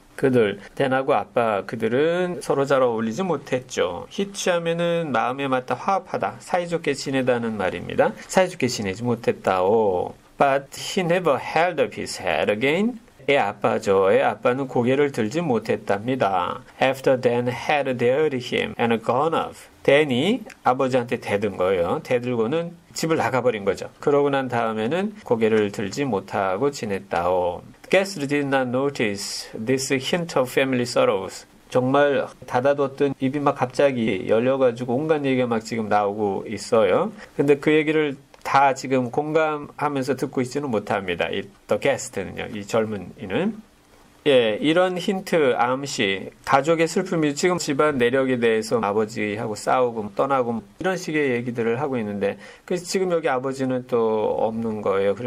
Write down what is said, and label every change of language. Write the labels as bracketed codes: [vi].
[ko] 그들 Then하고 아빠 그들은 서로 잘 어울리지 못했죠. Hitch하면은 마음에 맞다 화합하다 사이좋게 지내다는 말입니다. 사이좋게 지내지 못했다오. [en] But he never held up his head again. [ko] 애 아빠죠. 애 아빠는 고개를 들지 못했답니다. [en] After Dan had dared him and gone off. [ko] 댄이 아버지한테 대든 거예요. 대들고는 집을 나가버린 거죠. 그러고 난 다음에는 고개를 들지 못하고 지냈다오. [en] Guests did not notice this hint of family sorrows. [ko] 정말 닫아뒀던 입이 막 갑자기 열려가지고 온갖 얘기가 막 지금 나오고 있어요. 근데 그 얘기를 다 지금 공감하면서 듣고 있지는 못합니다. 이 The Guest는요. 이 젊은이는. 예, 이런 힌트, 암시, 가족의 슬픔이 지금 집안 내력에 대해서 아버지하고 싸우고 떠나고 이런 식의 얘기들을 하고 있는데, 그래서 지금 여기 아버지는 또 없는 거예요.